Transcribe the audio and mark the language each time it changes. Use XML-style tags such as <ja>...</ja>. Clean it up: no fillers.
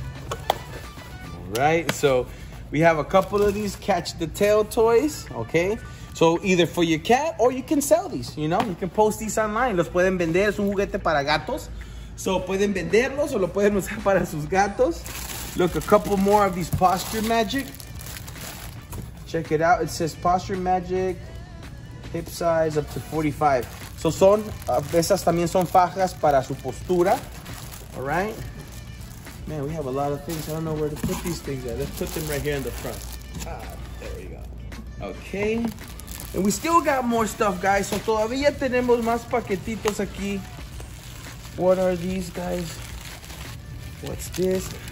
<en>All right, so we have a couple of these catch the tail toys, okay? So either for your cat or you can sell these, you know? You can post these online.</en> <es>Los pueden vender, es un juguete para gatos. So pueden venderlos o lo pueden usar para sus gatos.</es> <en>Look, a couple more of these Posture Magic. Check it out. It says Posture Magic, hip size up to 45.</en> <es>So son, esas también son fajas para su postura.</es> <en>All right. Man, we have a lot of things. I don't know where to put these things at. Let's put them right here in the front. Ah, there we go. Okay. And we still got more stuff, guys.</en> <es>So todavía tenemos más paquetitos aquí.</es> <en>What are these, guys? What's this?</en>